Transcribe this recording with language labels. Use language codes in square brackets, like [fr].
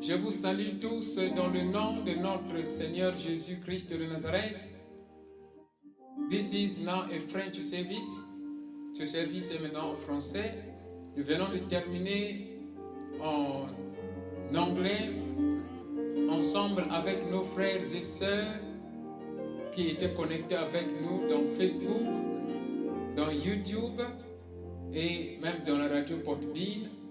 [fr] Salut tous dans le nom de notre Seigneur Jésus-Christ de Nazareth. [en] This is now a French service. [fr] Ce service est maintenant en français. Nous venons de terminer en anglais ensemble avec nos frères et sœurs qui étaient connectés avec nous dans Facebook, dans YouTube et même dans la radio Podbean.